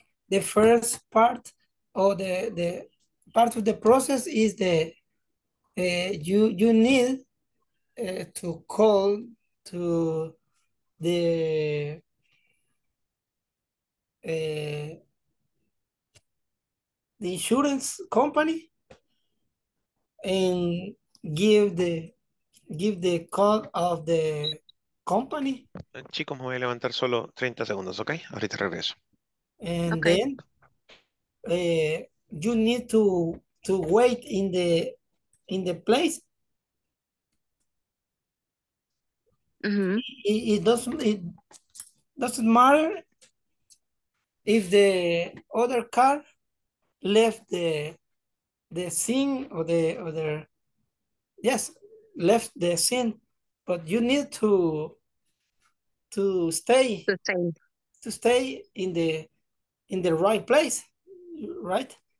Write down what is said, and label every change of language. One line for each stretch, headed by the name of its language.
English: The first part or the part of the process is the you need to call to the insurance company and give the call of the company.
Spanish: Chicos, me voy a levantar solo 30 segundos, ¿ok? Ahorita regreso.
English: And okay. Then you need to wait in the place. Mm-hmm. It doesn't matter if the other car left the scene or the other, yes, left the scene, but you need to stay in the right place, right?